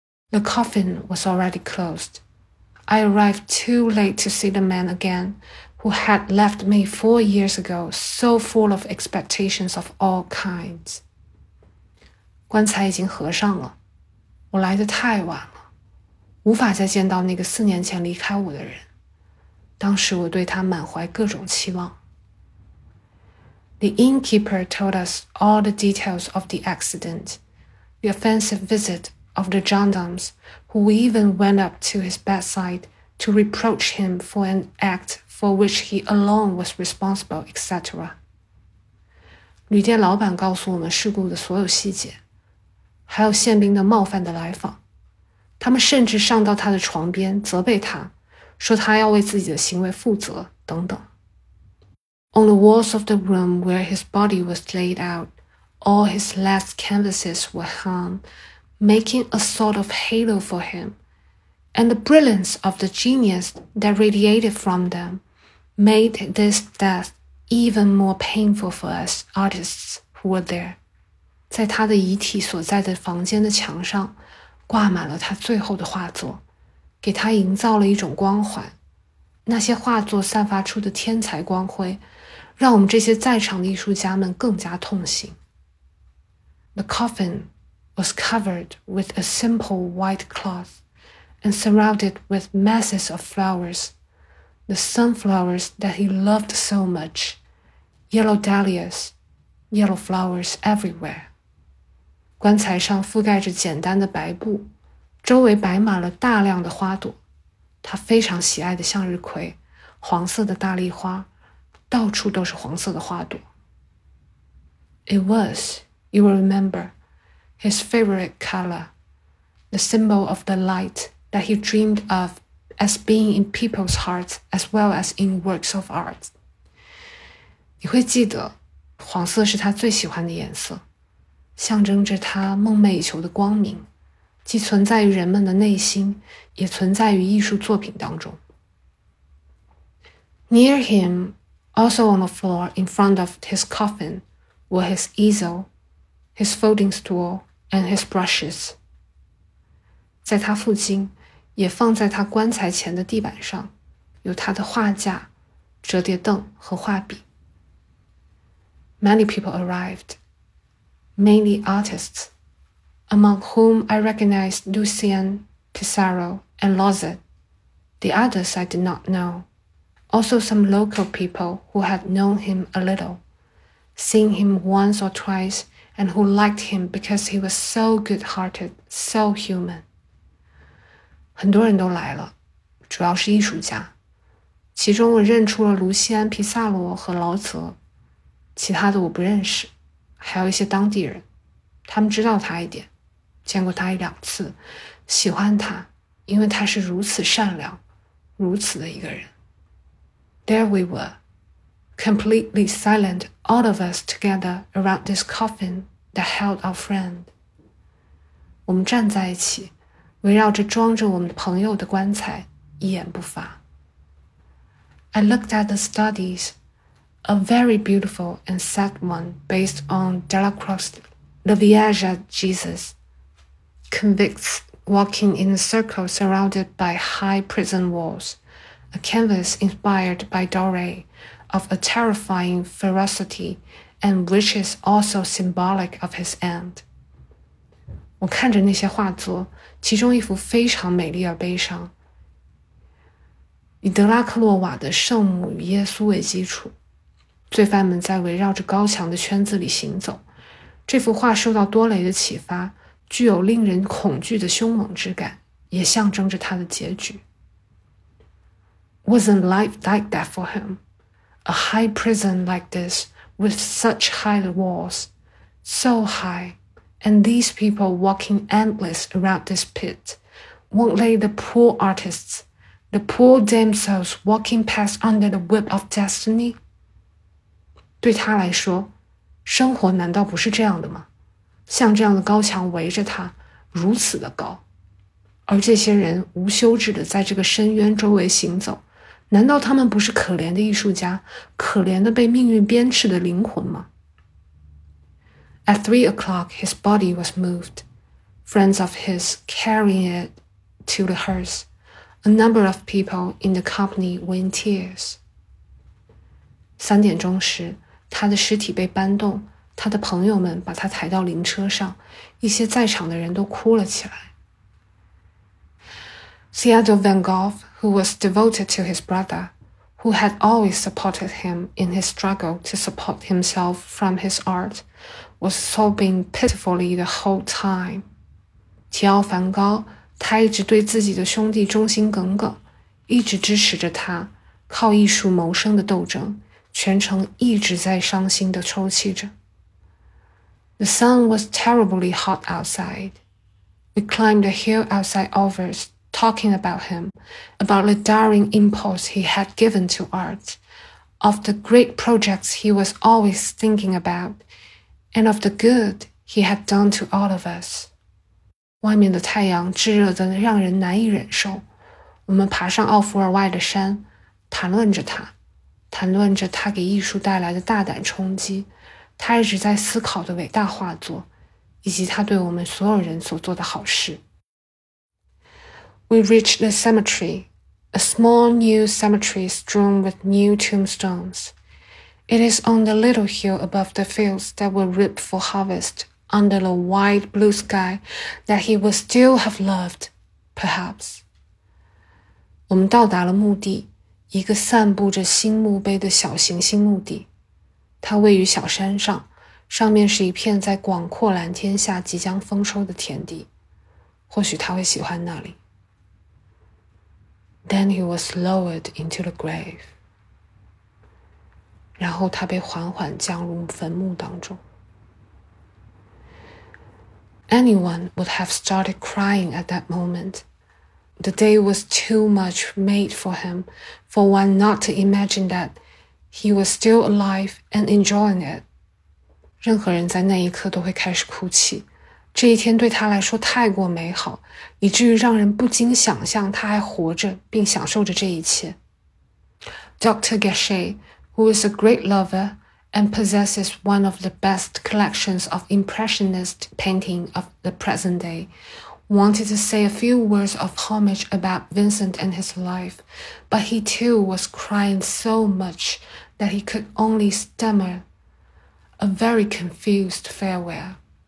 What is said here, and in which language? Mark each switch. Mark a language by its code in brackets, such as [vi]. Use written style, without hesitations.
[en] The coffin was already closed. I arrived too late to see the man again, who had left me 4 years ago, so full of expectations of all kinds. [zh] 棺材已经合上了，我来得太晚了，无法再见到那个4年前离开我的人。当时我对他满怀各种期望。 [en] The innkeeper told us all the details of the accident, the offensive visit of the gendarmes, who even went up to his bedside to reproach him for an act for which he alone was responsible, etc. [zh] 旅店老板告诉我们事故的所有细节，还有宪兵的冒犯的来访。他们甚至上到他的床边责备他，说他要为自己的行为负责等等。 [en] On the walls of the room where his body was laid out, all his last canvases were hung, making a sort of halo for him, and the brilliance of the genius that radiated from them made this death even more painful for us artists who were there. [zh] 在他的遗体所在的房间的墙上挂满了他最后的画作，给他营造了一种光环。那些画作散发出的天才光辉让我们这些在场的艺术家们更加痛心。 [en] The coffin was covered with a simple white cloth and surrounded with masses of flowers, the sunflowers that he loved so much, yellow dahlias, yellow flowers everywhere. [zh] 棺材上覆盖着简单的白布，周围摆满了大量的花朵，他非常喜爱的向日葵，黄色的大丽花，到处都是黄色的花朵。 [en] It was, you will remember, his favorite color, the symbol of the light that he dreamed of as being in people's hearts as well as in works of art. [zh] 你会记得，黄色是他最喜欢的颜色，象征着他梦寐以求的光明，既存在于人们的内心，也存在于艺术作品当中。 [en] Near him,Also on the floor in front of his coffin were his easel, his folding stool, and his brushes. [zh] 在他附近，也放在他棺材前的地板上，有他的画架、折叠凳和画笔。 [en] Many people arrived, mainly artists, among whom I recognized Lucien, Pissarro, and Lozet. The others I did not know. Also some local people who had known him a little, seen him once or twice, and who liked him because he was so good-hearted, so human. [zh] 很多人都来了，主要是艺术家。其中我认出了卢西安·皮萨罗和劳泽，其他的我不认识，还有一些当地人。他们知道他一点，见过他一两次，喜欢他，因为他是如此善良，如此的一个人。 [en] There we were, completely silent, all of us together around this coffin that held our friend. [zh] 我们站在一起，围绕着装着我们朋友的棺材，一言不发。 [en] I looked at the studies, a very beautiful and sad one based on Delacroix's The Vierge of Jesus, convicts walking in a circle surrounded by high prison walls. A canvas inspired by Doré, of a terrifying ferocity, and which is also symbolic of his end. [zh] 我看着那些画作，其中一幅非常美丽而悲伤，以德拉克洛瓦的圣母与耶稣为基础，罪犯们在围绕着高墙的圈子里行走。这幅画受到多雷的启发，具有令人恐惧的凶猛之感，也象征着他的结局。 [en] Wasn't life like that for him? A high prison like this, with such high walls, so high, and these people walking endless around this pit, won't let the poor artists, the poor damsels walking past under the whip of destiny? [zh] 对他来说，生活难道不是这样的吗？像这样的高墙围着他，如此的高，而这些人无休止地在这个深渊周围行走。难道他们不是可怜的艺术家，可怜的被命运鞭笞的灵魂吗？ [en] At 3 o'clock, his body was moved. Friends of his carrying it to the hearse. A number of people in the company were in tears. [zh] 3点钟时，他的尸体被搬动，他的朋友们把他抬到灵车上，一些在场的人都哭了起来。 [en] Theodor van Gogh, who was devoted to his brother, who had always supported him in his struggle to support himself from his art, was sobbing pitifully the whole time. [zh] 提奥梵高，他一直对自己的兄弟忠心耿耿，一直支持着他靠艺术谋生的斗争，全程一直在伤心地抽泣着。 [en] The sun was terribly hot outside. We climbed a hill outside Overs, talking about him, about the daring impulse he had given to art, of the great projects he was always thinking about, and of the good he had done to all of us. [zh] 外面的太阳炙热得让人难以忍受。我们爬上奥福尔外的山，谈论着他，谈论着他给艺术带来的大胆冲击，他一直在思考的伟大画作，以及他对我们所有人所做的好事。 [en] We reached the cemetery, a small new cemetery strewn with new tombstones. It is on the little hill above the fields that were ripe for harvest under the wide blue sky that he would still have loved, perhaps. [zh] 我们到达了墓地，一个散布着新墓碑的小行星墓地。它位于小山上，上面是一片在广阔蓝天下即将丰收的田地。或许他会喜欢那里。 [en] Then he was lowered into the grave. [zh] 然后他被缓缓降入坟墓当中。 [en] Anyone would have started crying at that moment. The day was too much made for him, for one not to imagine that he was still alive and enjoying it. [zh] 任何人在那一刻都会开始哭泣。这一天对他来说太过美好，以至于让人不禁想象他还活着并享受着这一切。 [en] Dr. Gachet, who is a great lover and possesses one of the best collections of Impressionist painting of the present day, wanted to say a few words of homage about Vincent and his life, but he too was crying so much that he could only stammer a very confused farewell.